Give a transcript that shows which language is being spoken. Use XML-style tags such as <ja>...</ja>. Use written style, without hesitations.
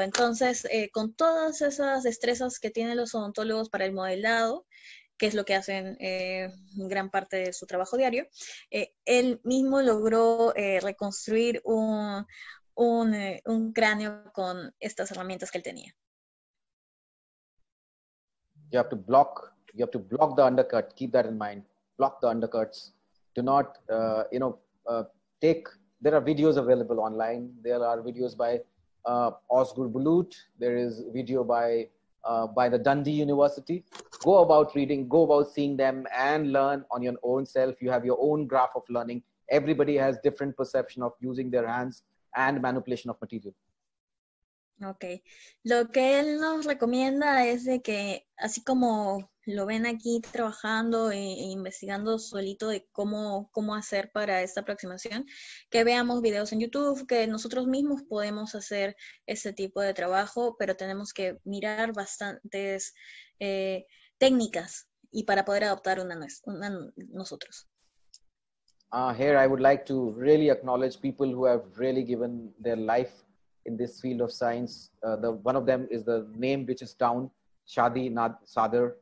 <es>Entonces con todas esas destrezas que tienen los odontólogos para el modelado, que es lo que hacen gran parte de su trabajo diario, él mismo logró reconstruir un cráneo con estas herramientas que él tenía.</es> <en>You have to block the undercut, keep that in mind. Block the undercuts. Do not, take, there are videos available online. There are videos by Osgur Bulut. There is video by the Dundee University. Go about reading, go about seeing them and learn on your own self. You have your own graph of learning. Everybody has different perception of using their hands and manipulation of material. Okay.</en> <es>Lo que él nos recomienda es de que, así como lo ven aquí trabajando e investigando solito de cómo hacer para esta aproximación, que veamos videos en YouTube, que nosotros mismos podemos hacer ese tipo de trabajo, pero tenemos que mirar bastantes técnicas y para poder adoptar una nosotros.</es> <en>Here I would like to really acknowledge people who have really given their life in this field of science. One of them is the name which is down, Shadi Nad Sadr.</en>